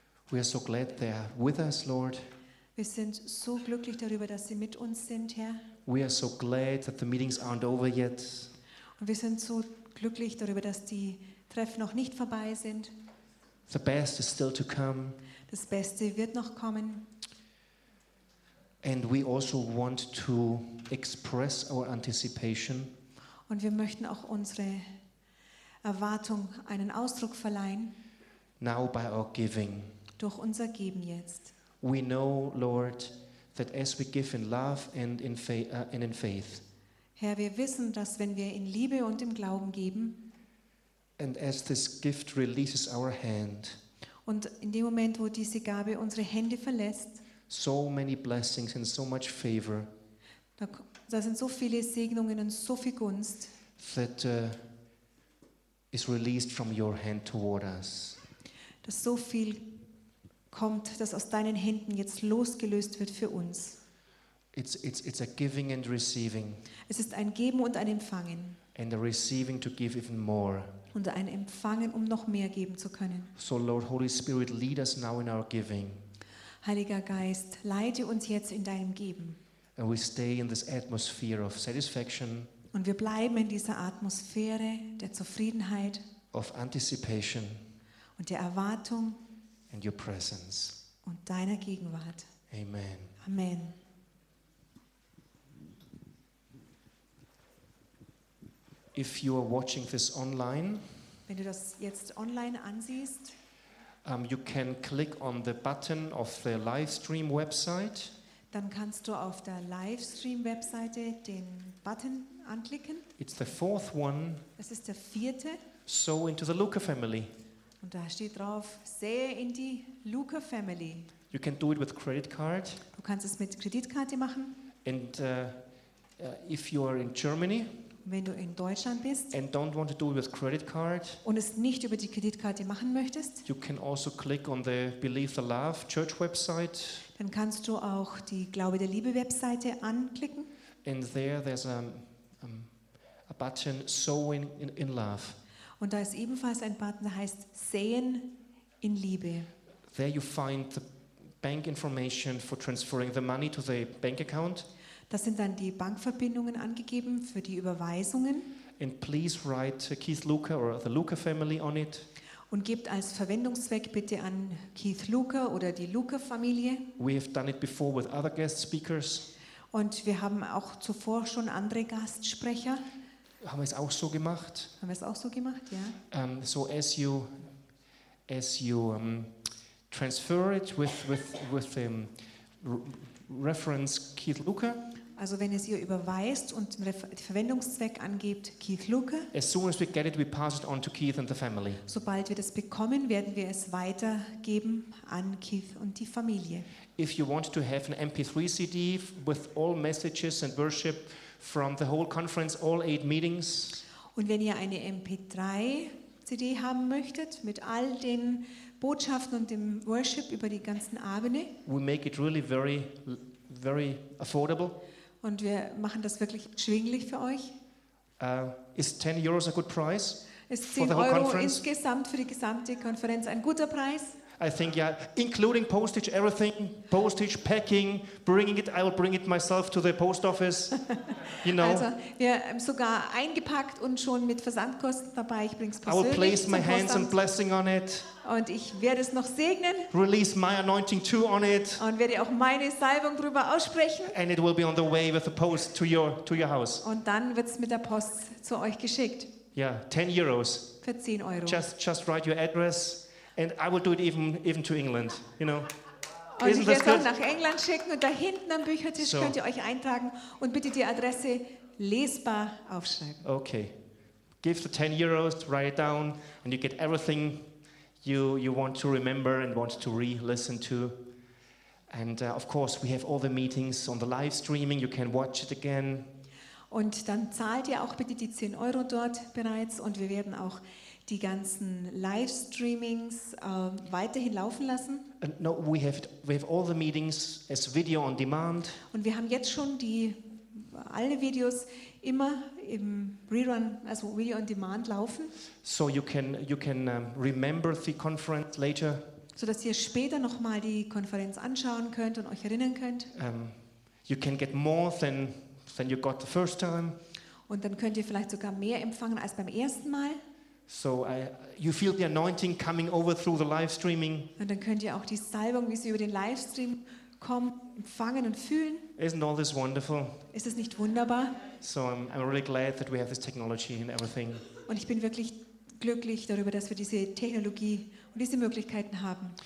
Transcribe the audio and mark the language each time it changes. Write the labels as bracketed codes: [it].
[en] We are so glad they are with us, Lord. [de] Wir sind so glücklich darüber, dass sie mit uns sind, Herr. [en] We are so glad that the meetings aren't over yet. [de] Und wir sind so glücklich darüber, dass die Treffen noch nicht vorbei sind. [en] The best is still to come. [de] Das Beste wird noch kommen. [en] And we also want to express our anticipation. [de] Und wir möchten auch unsere Erwartung einen Ausdruck verleihen. [en] Now by our giving. [de] Durch unser Geben jetzt. [en] We know, Lord, that as we give in love and in faith. [de] Herr, wir wissen, dass wenn wir in Liebe und im Glauben geben. [en] And as this gift releases our hand. [de] Und in dem Moment, wo diese Gabe unsere Hände verlässt. [en] So many blessings and so much favor. [de] Da sind so viele Segnungen und so viel Gunst, [en] that, is released from your hand toward us. [de] Dass so viel kommt, das aus deinen Händen jetzt losgelöst wird für uns. [en] It's a giving and receiving. [de] Es ist ein Geben und ein Empfangen. [en] And a receiving to give even more. [de] Und ein Empfangen, um noch mehr geben zu können. [en] So Lord, Holy Spirit, lead us now in our giving. [de] Heiliger Geist, leite uns jetzt in deinem Geben. [en] And we stay in this atmosphere of satisfaction. [de] Und wir bleiben in dieser Atmosphäre der Zufriedenheit. [en] Of anticipation. [de] Und der Erwartung. [en] And your presence. [de] Und deiner Gegenwart. [en] Amen. [de] Amen. [en] If you are watching this online, [de] wenn du das jetzt online ansiehst, [en] you can click on the button of the live stream website. [de] Dann kannst du auf der Livestream-Webseite den Button anklicken. [en] It's the fourth one. [de] Es ist der vierte. [en] So into the Luca family. [de] Und da steht drauf: Sähe in die Luca family. [en] You can do it with credit card. [de] Du kannst es mit Kreditkarte machen. [en] And if you are in Germany. [de] Wenn du in Deutschland bist [en] and don't want to do it with credit card, [de] und es nicht über die Kreditkarte machen möchtest, [en] you can also click on the Believe the Love Church website. [de] Dann kannst du auch die Glaube der Liebe Webseite anklicken. [en] And there there's a button Sowing in Love. [de] Und da ist ebenfalls ein Button, der heißt Säen in Liebe. [en] There you find the bank information for transferring the money to the bank account. [de] Das sind dann die Bankverbindungen angegeben für die Überweisungen. [en] And please write Keith Luca or the Luca family on it. [de] Und gebt als Verwendungszweck bitte an Keith Luca oder die Luca Familie. [en] We have done it before with other guest speakers. [de] Und wir haben auch zuvor schon andere Gastsprecher. Haben wir es auch so gemacht? Haben wir es auch so gemacht, ja. [en] So as you transfer it with the reference Keith Luca. [de] Also wenn es ihr überweist und Verwendungszweck angibt, Keith Luca. [en] As soon as we get it, we pass it on to Keith and the family. [de] Sobald wir das bekommen, werden wir es weitergeben an Keith und die Familie. [en] If you want to have an MP3 CD with all messages and worship from the whole conference, all 8 meetings. [de] Und wenn ihr eine MP3 CD haben möchtet mit all den Botschaften und dem Worship über die ganzen Abende. [en] We make it really very, very affordable. [de] Und wir machen das wirklich schwinglich für euch. [en] Is 10 euros a good price? [de] Ist 10 Euro insgesamt für die gesamte Konferenz ein guter Preis? [en] I think, yeah, including postage, everything, postage, packing, bringing it, I will bring it myself to the post office, you know. [de] Also, wir haben sogar eingepackt und schon mit Versandkosten dabei, ich bring's persönlich. [en] I will place my hands and blessing on it. [de] Und ich werde es noch segnen. [en] Release my anointing too on it. [de] Und werde auch meine Salbung drüber aussprechen. [en] And it will be on the way with the post to your house. [de] Und dann wird's mit der Post zu euch geschickt. [en] Yeah, 10 euros. [de] Für 10 Euro. [en] Just write your address. And I will do it even to England, you know. [de] Und isn't ich werde es auch nach England schicken und da hinten am Büchertisch so. Könnt ihr euch eintragen und bitte die Adresse lesbar aufschreiben. [en] Okay. Give the 10 euros, write it down and you get everything you want to remember and want to re-listen to. And of course we have all the meetings on the live streaming, you can watch it again. [de] Und dann zahlt ihr auch bitte die 10 Euro dort bereits und wir werden auch die ganzen Livestreamings weiterhin laufen lassen. [en] No, we have all the meetings as video on demand. [de] Und wir haben jetzt schon alle Videos immer im Rerun, also video on demand laufen. [en] So you can remember the conference later. [de] So dass ihr später noch mal die Konferenz anschauen könnt und euch erinnern könnt. [en] You can get more than you got the first time. [de] Und dann könnt ihr vielleicht sogar mehr empfangen als beim ersten Mal. [en] So you feel the anointing coming over through the live streaming. [de] Und dann könnt ihr auch die Salbung, wie sie über den Livestream kommt, empfangen und fühlen. [en] Isn't all this wonderful? [de] Ist es nicht wunderbar? [en] So I'm really glad that we have this technology and everything. [de] Und ich bin wirklich glücklich darüber, dass wir diese Technologie und diese Möglichkeiten haben.